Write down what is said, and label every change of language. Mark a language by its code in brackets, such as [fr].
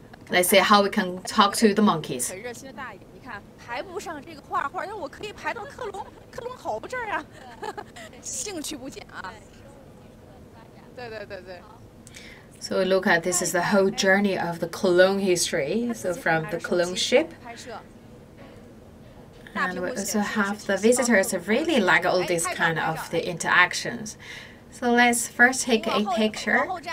[en] Let's see how we can talk to the monkeys. [zh] 很热心的大爷，你看排不上这个画画，但我可以排到克隆猴这儿啊，兴趣不减啊。对对对对。 [en] So look at this is the whole journey of the clone history. So from the clone ship. And we also have the visitors really like all these kind of the interactions. So let's first take a picture.